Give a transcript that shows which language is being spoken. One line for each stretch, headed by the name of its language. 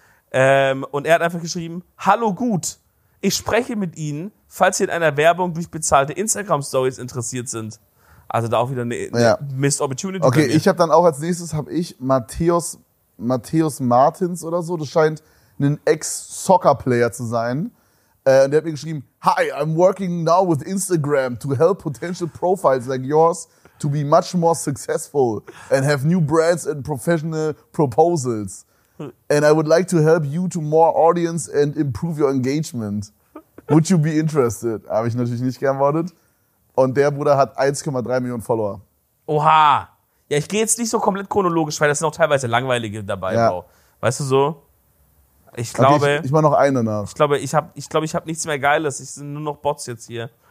German: Und er hat einfach geschrieben, hallo gut, ich spreche mit Ihnen, falls Sie in einer Werbung durch bezahlte Instagram-Stories interessiert sind. Also da auch wieder eine Missed Opportunity. Okay, ich habe dann auch als nächstes, Matthäus Martins oder so, das scheint ein Ex-Soccer-Player zu sein. Und der hat mir geschrieben,
English: hi, I'm working now with Instagram to help potential profiles like yours to be much more successful and have new brands and professional proposals. And I would like to help you to more audience and improve your engagement. Would you be interested?
German: Habe ich natürlich nicht geantwortet. Und der Bruder hat 1,3 Millionen Follower. Oha. Ja, ich gehe jetzt nicht so komplett chronologisch, weil das sind auch teilweise langweilige dabei. Ja. Weißt du so? Ich glaube... Okay, ich mache noch eine nach. Ich glaube, ich habe nichts mehr Geiles. Ich sind nur noch Bots jetzt hier.